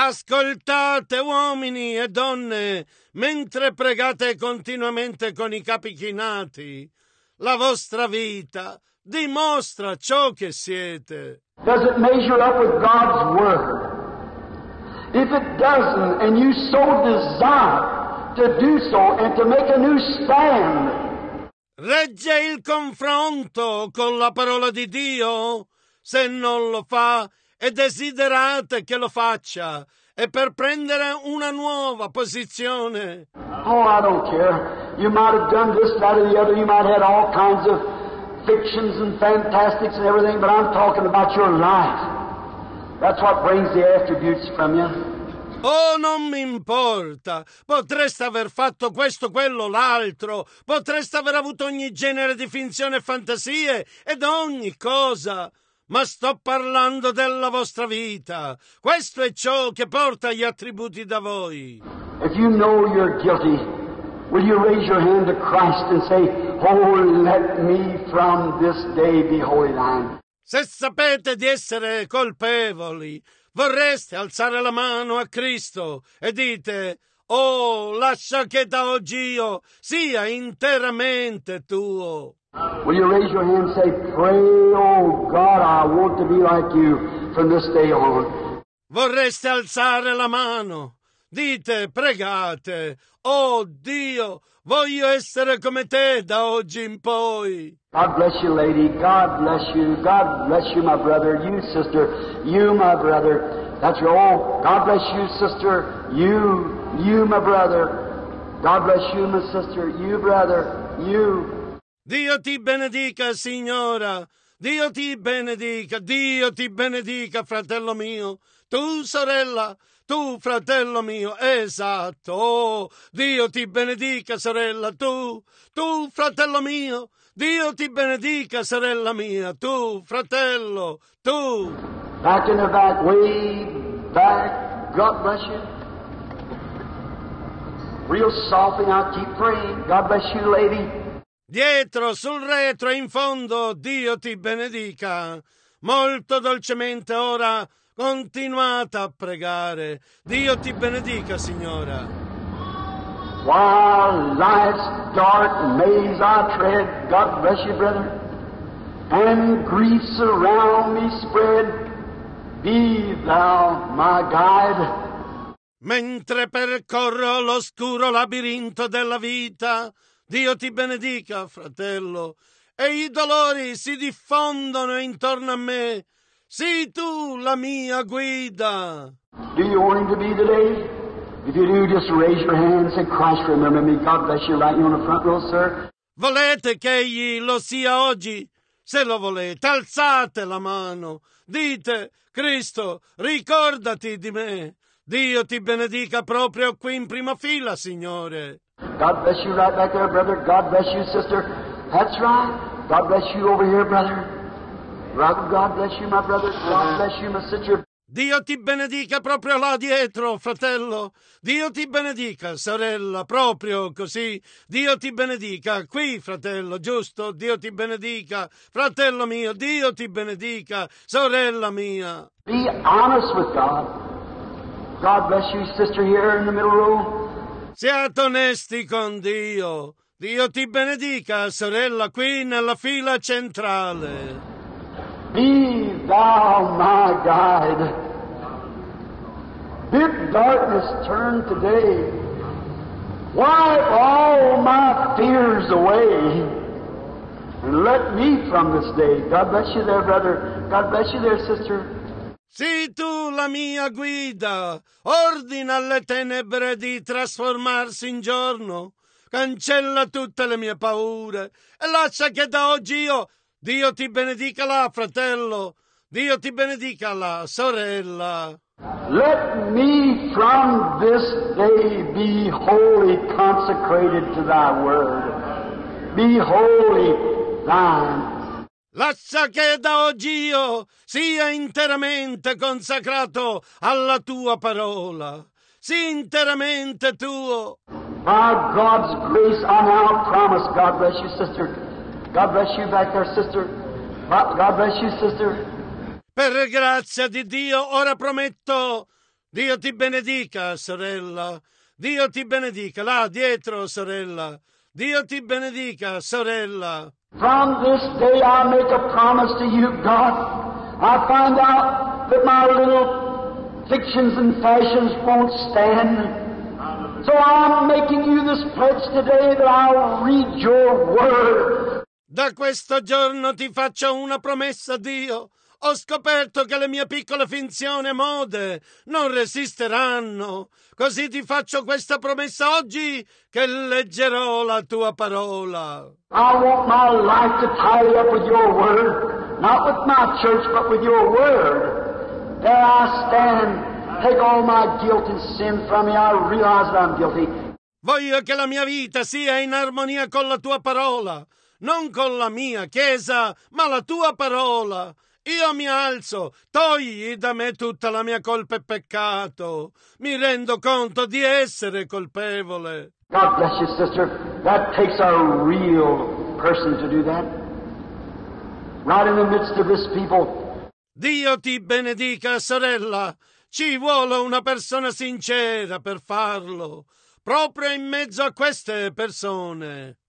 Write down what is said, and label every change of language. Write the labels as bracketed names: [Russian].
[Italian] Ascoltate, uomini e donne, mentre pregate continuamente con i capi chinati, la vostra vita dimostra ciò che siete. [English] Does it measure up with God's word? If it doesn't, and you so desire to do so and to make a new stand, [Italian] regge il confronto con la parola di Dio? Se non lo fa e desiderate che lo faccia, e per prendere una nuova posizione. [English] Oh, I don't care. You might have done this, that, or the other. You might have had all kinds of fictions and fantastics and everything, but I'm talking about your life. That's what brings the attributes from you. [Italian] Oh, non mi importa. Potreste aver fatto questo, quello, l'altro. Potreste aver avuto ogni genere di finzione e fantasie ed ogni cosa. Ma sto parlando della vostra vita. Questo è ciò che porta gli attributi da voi. [English] If you know you're guilty, will you raise your hand to Christ and say, oh, let me from this day be holy thine. [Italian] Se sapete di essere colpevoli, vorreste alzare la mano a Cristo e dite, Oh, lascia che da oggi io sia interamente tuo. [English] Will you raise your hand and say, pray, oh God, I want to be like you from this day on. [Italian] Vorreste alzare la mano? Dite, pregate. Oh Dio, voglio essere come te da oggi in poi. [English] God bless you, lady. God bless you. God bless you, my brother. You, sister. You, my brother. That's your all. God bless you, sister. You. You, my brother. God bless you, my sister. You, brother. You. [Italian] Dio ti benedica, signora. Dio ti benedica. Dio ti benedica, fratello mio. Tu, sorella. Tu, fratello mio. Esatto. Oh, Dio ti benedica, sorella. Tu. Tu, fratello mio. Dio ti benedica, sorella mia. Tu, fratello. Tu. [English] Back in the back. Way back. God bless you. Real soft and I keep praying. God bless you, lady. [Italian] Dietro, sul retro, in fondo, Dio ti benedica. Molto dolcemente ora, continuate a pregare. Dio ti benedica, signora. [English] While life's dark maze I tread, God bless you, brother, and griefs around me spread, be thou my guide. [Italian] Mentre percorro l'oscuro labirinto della vita, Dio ti benedica, fratello, e i dolori si diffondono intorno a me. Sii tu la mia guida. [English] Do you want him to be today? If you do, just raise your hand and say, Christ, remember me. God bless you, right on the front row, sir. [Italian] Volete che egli lo sia oggi? Se lo volete, alzate la mano. Dite, Cristo, ricordati di me. Dio ti benedica proprio qui in prima fila, Signore. [English] God bless you right back there, brother. God bless you, sister. That's right. God bless you over here, brother. God bless you, my brother. God bless you, my sister. [Italian] Dio ti benedica proprio là dietro, fratello. Dio ti benedica, sorella, proprio così. Dio ti benedica qui, fratello, giusto? Dio ti benedica, fratello mio. Dio ti benedica, sorella mia. [English] Be honest with God. God bless you, sister, here in the middle row. [Italian] Siate onesti con Dio. Dio ti benedica, sorella, qui nella fila centrale. [English] Be thou my guide. Bid darkness turn today. Wipe all my fears away. And let me from this day. God bless you there, brother. God bless you there, sister. [Italian] Sii tu la mia guida, ordina alle tenebre di trasformarsi in giorno, cancella tutte le mie paure e lascia che da oggi io, Dio ti benedica là, fratello, Dio ti benedica là, sorella. [English] Let me from this day be wholly consecrated to thy word, be wholly thine. [Italian] Lascia che da oggi io sia interamente consacrato alla tua parola. Sii interamente tuo. [English] By God's grace, I now promise. God bless you, sister. God bless you back there, sister. God bless you, sister. [Italian] Per grazia di Dio, ora prometto. Dio ti benedica, sorella. Dio ti benedica. Là dietro, sorella. Dio ti benedica, sorella. [English] From this day I make a promise to you, God. I find out that my little fictions and fashions won't stand. So I'm making you this pledge today that I'll read your word. [Italian] Da questo giorno ti faccio una promessa, Dio. Ho scoperto che le mie piccole finzioni e mode non resisteranno. Così ti faccio questa promessa oggi che leggerò la tua parola. [English] I want my life to tie up with your word, not with my church, but with your word. There I stand, take all my guilt and sin from me, I realize that I'm guilty. [Italian] Voglio che la mia vita sia in armonia con la tua parola, non con la mia chiesa, ma la tua parola. Io mi alzo, togli da me tutta la mia colpa e peccato. Mi rendo conto di essere colpevole. [English] God bless you, sister. That takes a real person to do that. Right in the midst of this people. [Italian] Dio ti benedica, sorella. ci vuole una persona sincera per farlo, proprio in mezzo a queste persone.